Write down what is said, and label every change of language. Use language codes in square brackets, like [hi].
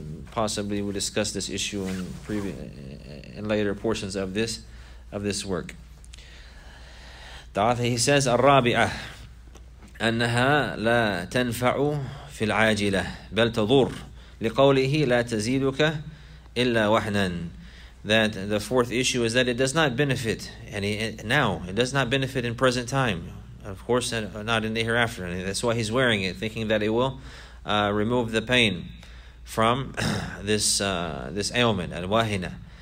[en] Possibly we'll discuss this issue in later portions of this work. Ta'afi, he says, [ar] الرابعه انها لا تنفع في العاجله بل تضر لقوله لا تزيدك الا وحنا. [en] That the fourth issue is that it does not benefit any now, it does not benefit in present time, of course not in the hereafter. That's why he's wearing it, thinking that it will remove the pain from this ailment, al-wahina.